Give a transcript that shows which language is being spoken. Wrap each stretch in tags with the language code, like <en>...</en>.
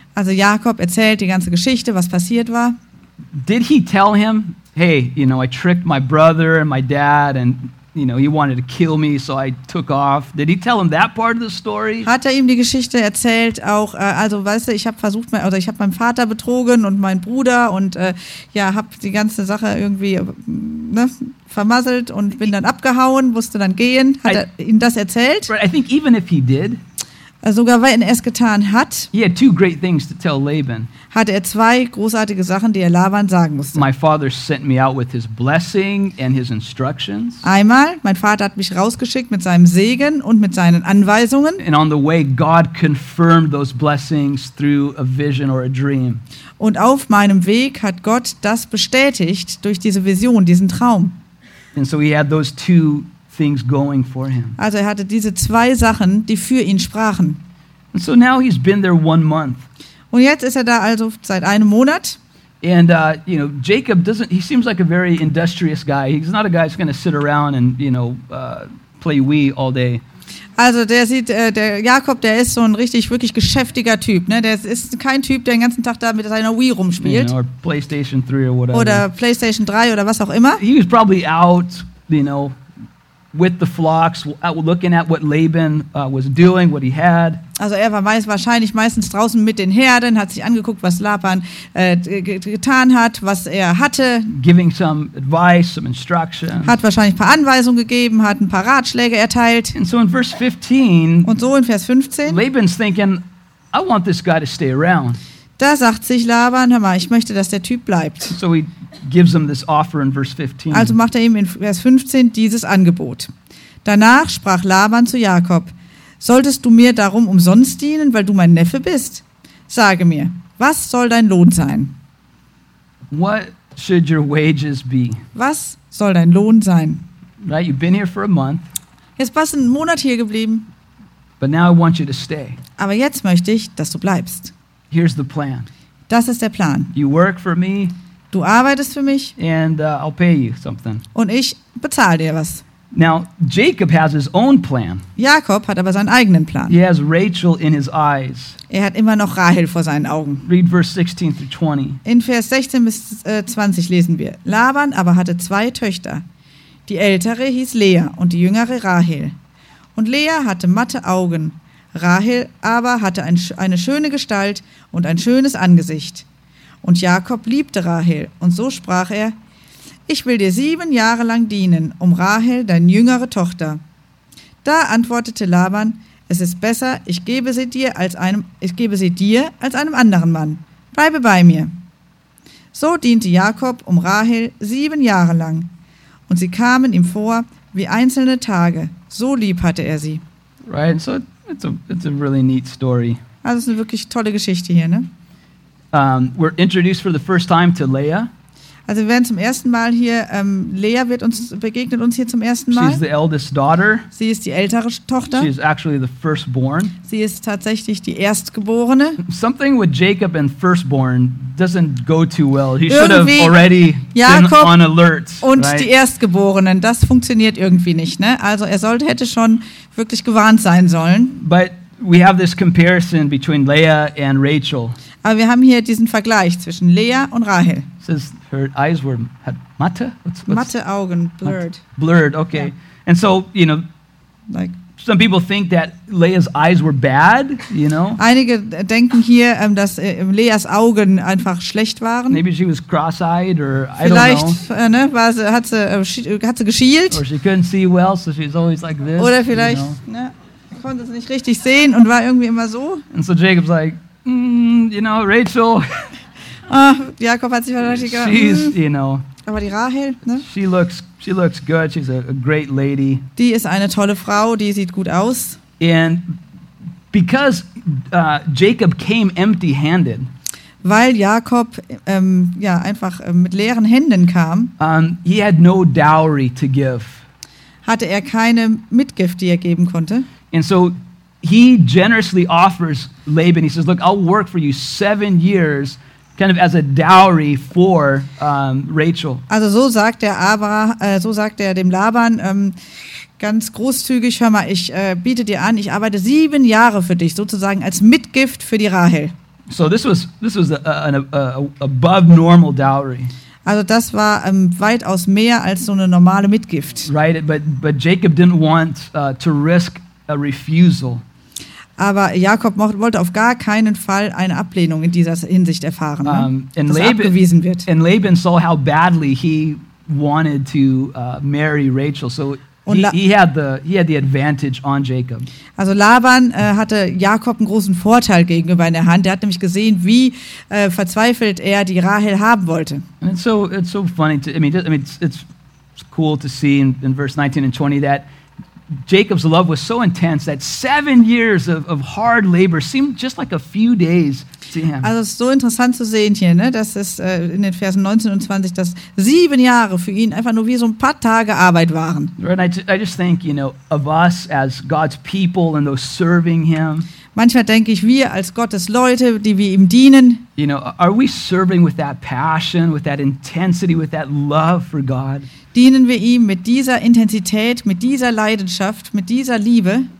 <de>Also Jakob erzählt die ganze Geschichte, was passiert war.</de> <en>Did he tell him, "Hey, you know, I tricked my brother and my dad and, you know, he wanted to kill me, so I took off"? Did he tell him that part of the story?</en> <de>Hat er ihm die Geschichte erzählt auch, also weißt du, ich habe versucht, oder ich habe meinen Vater betrogen und meinen Bruder und ja, habe die ganze Sache irgendwie, ne, vermasselt und bin dann abgehauen, musste dann gehen. Hat er ihm das erzählt?</de> <en>Right, I think even if he did,</en> <de>sogar wenn er es getan hat,</de> <en>he had two great things to tell Laban.</en> <de>Hatte er zwei großartige Sachen, die er Laban sagen musste.</de> <en>My father sent me out with his blessing and his instructions.</en> <de>Einmal, mein Vater hat mich rausgeschickt mit seinem Segen und mit seinen Anweisungen.</de> <en>And on the way, God confirmed those blessings through a vision or a dream.</en> <de>Und auf meinem Weg hat Gott das bestätigt durch diese Vision, diesen Traum.</de> <en>And so he had those two things going for him.</en> <de>Also er hatte diese zwei Sachen, die für ihn sprachen.</de> <en>And so now he's been there 1 month.</en> <de>Und jetzt ist er da also seit einem Monat.</de> <en>And you know, Jacob doesn't, he seems like a very industrious guy. He's not a guy who's going to sit around and, you know, play Wii all day.</en> <de>Also der sieht, der Jakob, der ist so ein richtig wirklich geschäftiger Typ, ne? Der ist kein Typ, der den ganzen Tag da mit seiner Wii rumspielt.</de> <en>You know, or PlayStation 3 or whatever.</en> <de>Oder PlayStation 3 oder was auch immer.</de> <en>He was probably out, you know, with the flocks, looking at what Laban was doing, what he had.</en> <de>Also er war wahrscheinlich meistens draußen mit den Herden, hat sich angeguckt, was Laban getan hat, was er hatte.</de> <en>Giving some advice, some instruction.</en> <de>Hat wahrscheinlich ein paar Anweisungen gegeben, hat ein paar Ratschläge erteilt.</de> <en>And so in verse 15.</en> <de>Und so in Vers 15.</de> <en>Laban's thinking, "I want this guy to stay around."</en> <de>Da sagt sich Laban, hör mal, ich möchte, dass der Typ bleibt.</de> <en>So he gives him this offer in verse 15.</en> <de>Also macht er ihm in Vers 15 dieses Angebot. Danach sprach Laban zu Jakob, "Solltest du mir darum umsonst dienen, weil du mein Neffe bist? Sage mir, was soll dein Lohn sein?"</de> <en>What should your wages be?</en> <de>Was soll dein Lohn sein?</de> <en>Right, you've been here for a month.</en> <de>Jetzt bist du einen Monat hier geblieben.</de> <en>But now I want you to stay.</en> <de>Aber jetzt möchte ich, dass du bleibst.</de> <en>Here's the plan.</en> <de>Das ist der Plan.</de> <en>You work for me.</en> <de>Du arbeitest für mich.</de> <en>And I'll pay you something.</en> <de>Und ich bezahle dir was.</de> <en>Now Jacob has his own plan.</en> <de>Jakob hat aber seinen eigenen Plan.</de> <en>He has Rachel in his eyes.</en> <de>Er hat immer noch Rahel vor seinen Augen.</de> <en>Read verse 16 through 20.</en> <de>In Vers 16 bis 20 lesen wir. Laban aber hatte zwei Töchter. Die ältere hieß Lea und die jüngere Rahel. Und Lea hatte matte Augen. Rahel aber hatte eine schöne Gestalt und ein schönes Angesicht. Und Jakob liebte Rahel, und so sprach er, "Ich will dir 7 Jahre lang dienen, um Rahel, deine jüngere Tochter." Da antwortete Laban, "Es ist besser, ich gebe sie dir als einem anderen Mann. Bleibe bei mir." So diente Jakob um Rahel 7 Jahre lang, und sie kamen ihm vor wie einzelne Tage, so lieb hatte er sie.</de> <en>Right, so It's a really neat story.</en> <de>Also, es ist eine wirklich tolle Geschichte hier, ne?</de> <en>We're introduced for the first time to Leah.</en> <de>Also, wir werden zum ersten Mal hier, Leah begegnet uns hier zum ersten Mal.</de> <en>She's the eldest daughter.</en> <de>Sie ist die ältere Tochter.</de> <en>She's actually the firstborn.</en> <de>Sie ist tatsächlich die Erstgeborene.</de> <en>Something with Jacob and firstborn doesn't go too well. He should have already been on alert.</en> <de>Und</de> <en>right?</en> <de>Die Erstgeborenen, das funktioniert irgendwie nicht, ne? Also, er hätte schon wirklich gewarnt sein sollen.</de> <en>But we have this comparison between Leah and Rachel.</en> <de>Aber wir haben hier diesen Vergleich zwischen Leah und Rahel.</de> <en>Says her eyes were matte.</en> <de>Matte Augen, blurred.</de> <en>Blurred, okay. Yeah. And so, you know, like Some people think that Leah's eyes were bad, you know?</en> <de>Einige denken hier, dass Leas Augen einfach schlecht waren.</de> <en>Maybe she was cross-eyed or</en> <de>vielleicht,</de> <en>I don't know.</en> <de>Vielleicht, ne, war sie, hat sie geschielt.</de> <en>Or she couldn't see well, so she's always like this.</en> <de>Oder vielleicht, ne, konnte sie nicht richtig sehen und war irgendwie immer so.</de> <en>And so Jacob's like, you know, Rachel.</en> <de>Jakob hat sich wahrscheinlich gedacht,</de> <en>she's, you know.</en> <de>Aber die Rahel, ne?</de> <en>She looks good. She's a great lady.</en> <de>Die ist eine tolle Frau. Die sieht gut aus.</de> <en>And because Jacob came empty-handed,</en> <de>weil Jakob einfach mit leeren Händen kam,</de> <en>he had no dowry to give.</en> <de>Hatte er keine Mitgift, die er geben konnte.</de> <en>And so he generously offers Laban. He says, "Look, I'll work for you 7 years." Kind of as a dowry for Rachel.</en> <de>Also so sagt der dem Laban ganz großzügig, hör mal, ich biete dir an, ich arbeite 7 Jahre für dich, sozusagen als Mitgift für die Rahel.</de> <en>So this was an above normal dowry.</en> <de>Also das war weitaus mehr als so eine normale Mitgift.</de> <en>Right, but Jacob didn't want to risk a refusal.</en> <de>Aber Jakob wollte auf gar keinen Fall eine Ablehnung in dieser Hinsicht erfahren, dass er abgewiesen wird.</de> <en>And Laban saw how badly he wanted to marry Rachel, so he had the advantage on Jacob.</en> <de>Also Laban hatte Jakob einen großen Vorteil gegenüber in der Hand. Er hat nämlich gesehen, wie verzweifelt er die Rahel haben wollte.</de> <en>And it's so funny. It's cool to see in verse 19 and 20 that Jacob's love was so intense that 7 years of hard labor seemed just like a few days to him.</en> <de>Also es ist so interessant zu sehen hier, ne, dass es in den Versen 19 und 20, dass 7 Jahre für ihn einfach nur wie so ein paar Tage Arbeit waren.</de> <en>Right, I just think, you know, of us as God's people and those serving him.</en> <de>Manchmal denke ich, wir als Gottes Leute, die wir ihm dienen.</de> <en>You know, are we serving with that passion, with that intensity, with that love for God?</en> <de>Dienen wir ihm mit dieser Intensität, mit dieser Leidenschaft, mit dieser Liebe?</de>